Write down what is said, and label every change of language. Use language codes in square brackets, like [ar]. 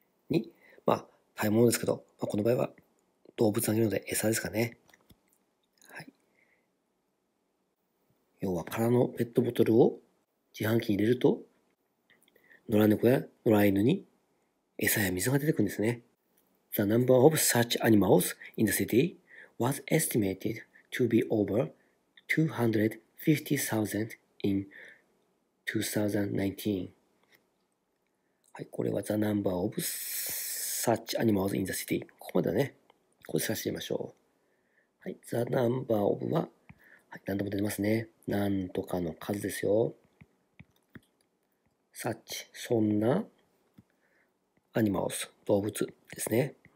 [ja] に、まあ、食べ物ですけど、まあ、この場合は動物あげるので餌ですかね。はい。要は空のペットボトルを自販機に入れると、野良猫や野良犬に餌や水が出てくるんですね。 [en] The number of such animals in the city was estimated to be over 250,000 in 2019. [ja] はい、これは [en] The number of such animals in the city。 [ja] ここまでだね。ここで探してみましょう。はい、 [en] The number of [ja] は、はい、何度も出てますね。何とかの数ですよ。such、そんな animals、動物ですね。